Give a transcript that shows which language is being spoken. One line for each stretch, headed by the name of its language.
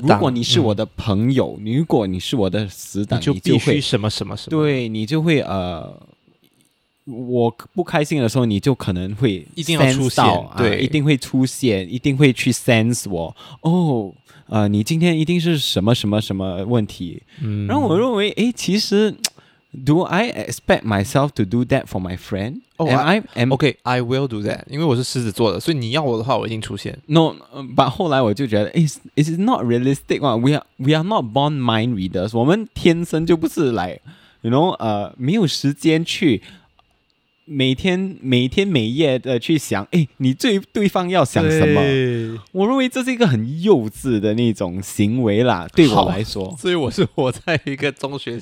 Chinese: 党、哦、如果你是我的朋友、嗯、如果你是我的死党你就必须什么什么什么对你就会我不开心的时候你就可能会 sense 一定要出现、啊、对一定会出现一定会去 sense 我哦你今天一定是什么什么什么问题、嗯、然后我认为诶其实
English: Do I expect myself to do that for my friend? Oh, I will do that.
Chinese: 因为我是狮子座的，所以你要我的话，我一定出现。
English: No, but
Chinese: 后来我就觉得
English: it's not realistic. We are not born mind readers.
Chinese: 我们天生就不是来
English: you know,
Chinese: 没有时间去每天每夜的去想，哎，你对对方要想什么？我认为这是一个很幼稚的那种行为啦，对我来说。所以我是活在一个中学。